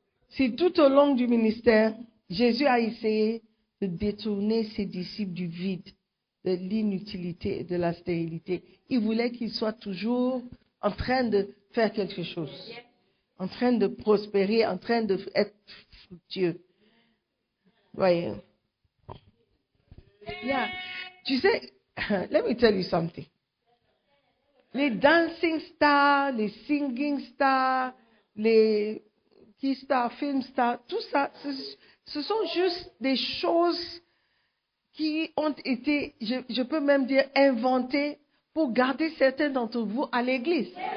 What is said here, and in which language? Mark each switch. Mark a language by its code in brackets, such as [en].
[fr] Si tout au long du ministère, Jésus a essayé de détourner ses disciples du vide, de l'inutilité et de la stérilité. Il voulait qu'ils soient toujours en train de faire quelque chose, en train de prospérer, en train d'être fructueux. Voyez. [en] Yeah. [fr] Tu sais, [en] let me tell you something. [fr] Les [en] dancing stars, [fr] les [en] singing stars, [fr] les [en] key stars, film stars, [fr] tout ça, ce sont juste des choses qui ont été, je peux même dire, inventées pour garder certains d'entre vous à l'église.